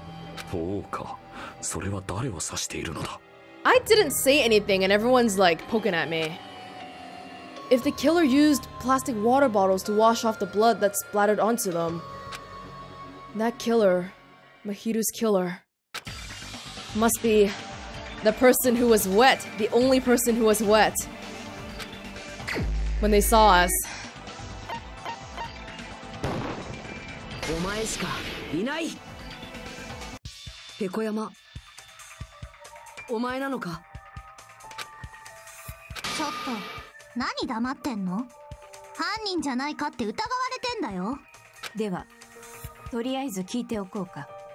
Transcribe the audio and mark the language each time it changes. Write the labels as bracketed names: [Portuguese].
[Japanese] ほら、やっぱりそうだ。待ちやがれ。犯人に気づいただと？それって本当なんですか？そうか。それは誰を指しているのだ？ [English] I didn't say anything and everyone's like poking at me. If the killer used plastic water bottles to wash off the blood that splattered onto them, that killer, Mahiru's killer, must be the person who was wet, the only person who was wet when they saw us. [Japanese] お前しかいない。ペコ山、お前なのか。ちょっと、何黙ってんの？犯人じゃないかって疑われてんだよ。では、とりあえず聞いておこうか。